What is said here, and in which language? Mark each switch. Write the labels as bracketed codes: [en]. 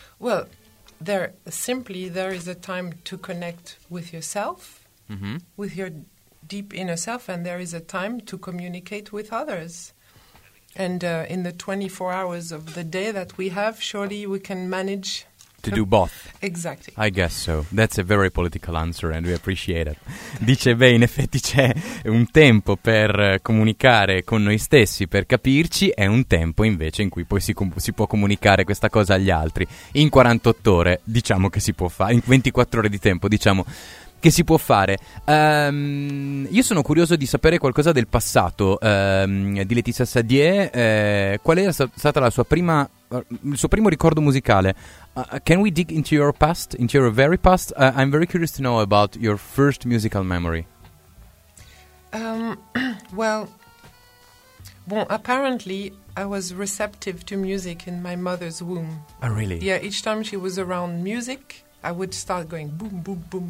[en] Well, there is a time to connect with yourself, mm-hmm. with your deep inner self, and there is a time to communicate with others. And in the 24 hours of the day that we have, surely we can manage to do both. Exactly. I guess so. That's a very political answer and we appreciate it. [it] Dice, beh, in effetti c'è un tempo per comunicare con noi stessi, per capirci, e un tempo invece in cui poi si può comunicare questa cosa agli altri. In 48 ore, diciamo che si può fare, in 24 ore di tempo, diciamo che si può fare. Io sono curioso di sapere qualcosa del passato di Letizia Sadier. Qual è stata la sua prima, il suo primo ricordo musicale? [en] Can we dig into your past, into your very past? I'm very curious to know about your first musical memory. Apparently I was receptive to music in my mother's womb. Oh, really? Yeah, each time she was around music, I would start going boom, boom, boom.